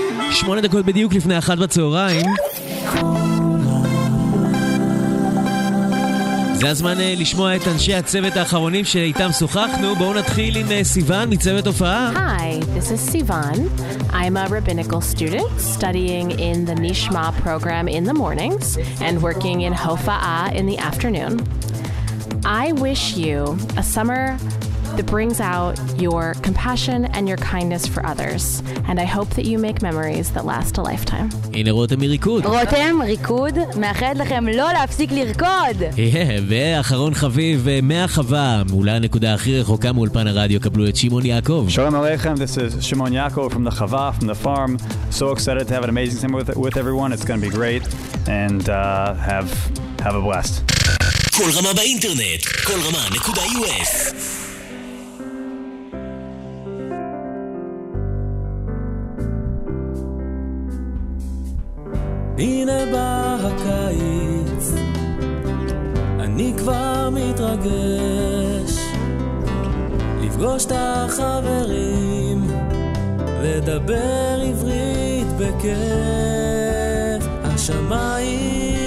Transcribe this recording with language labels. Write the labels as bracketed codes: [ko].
[he] שמונה דקות בדיוק לפני 1 בצהריים. זה הזמן לשמוע את אנשי הצוות האחרונים שאיתם שוחחנו. בואו נתחיל עם סיוון מצוות הופעה. [en] Hi, this is Sivan. I'm a rabbinical student studying in the Nishma program in the mornings and working in Hofa'a in the afternoon. I wish you a summer that brings out your compassion and your kindness for others. And I hope that you make memories that last a lifetime. [he] הנה רותם מריקוד. רותם, ריקוד, מאחד לכם לא להפסיק לרקוד. יהיה, ואחרון חביב מהחווה, אולי הנקודה הכי רחוקה מאולפן הרדיו, קבלו את שמעון יעקב. שלום עליכם, [en] this is Shimon Yaakov from the Chava, from the farm. So excited to have an amazing time with everyone. It's going to be great. And have a blast. [he] כל רמה באינטרנט, כל רמה נקודה US. הנה בא הקיץ, אני כבר מתרגש לפגוש את החברים, לדבר עברית בכיף. השמיים